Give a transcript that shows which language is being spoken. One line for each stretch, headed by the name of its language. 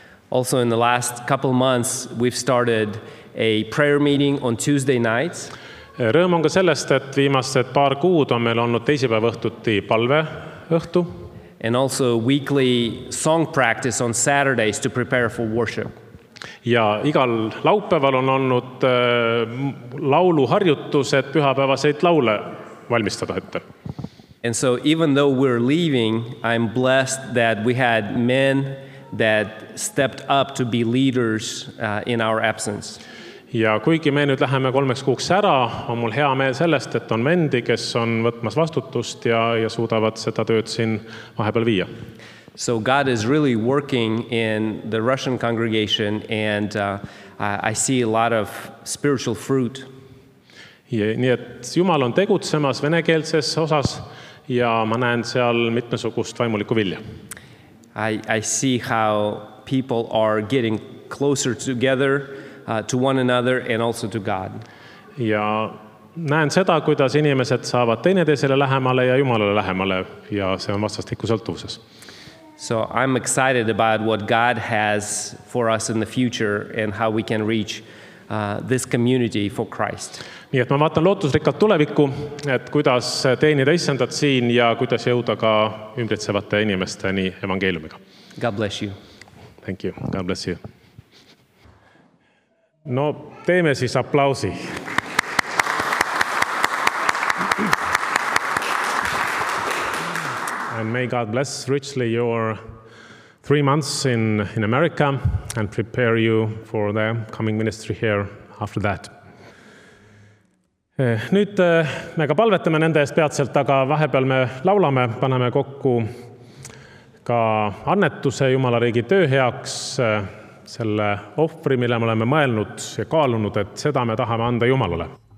English: Also in the last couple months, we've started a prayer meeting on Tuesday nights.
Estonian: Rõõm on ka sellest, et viimased paar kuud on meil olnud teisipäev õhtuti palve õhtu.
English: And also weekly song practice on Saturdays to prepare for worship.
Estonian: Ja igal laupäeval on olnud lauluharjutus, et pühapäevaseid laule valmistada ette.
English: And so even though we're leaving, I'm blessed that we had men that stepped up to be leaders in our absence.
Estonian: Ja kuigi me nüüd läheme 3 kuuks ära, on mul hea meel sellest, et on vendi, kes on võtmas vastutust ja suudavad seda tööd siin vahepeal viia.
English: So God is really working in the Russian congregation, and I see a lot of spiritual fruit.
Estonian: Ja, nii et Jumal on tegutsemas venekeelses osas ja ma näen seal mitmesugust vaimuliku vilja.
English: I see how people are getting closer together to one another and also to God.
Estonian: Ja näen seda, kuidas inimesed saavad teineteisele lähemale ja Jumalale lähemale ja see on vastastikku sõltuvuses.
English: So I'm excited about what God has for us in the future and how we can reach this community for Christ.
Estonian: Nii et ma vaatan lootusrikkalt tulevikku, et kuidas teenida issandat siin ja kuidas jõuda ka ümbritsevate inimesteni evangeeliumiga.
English: God bless you. Thank you. God bless you.
Estonian: No, teeme siis aplausi.
English: And may God bless richly your 3 months in America and prepare you for the coming ministry here after that.
Estonian: Nüüd me ka palvetame nende eest peatselt, aga vahepeal me laulame, paneme kokku ka annetuse Jumala riigi töö heaks, selle ohvri, mille me oleme mõelnud ja kaalunud, et seda me tahame anda Jumalule.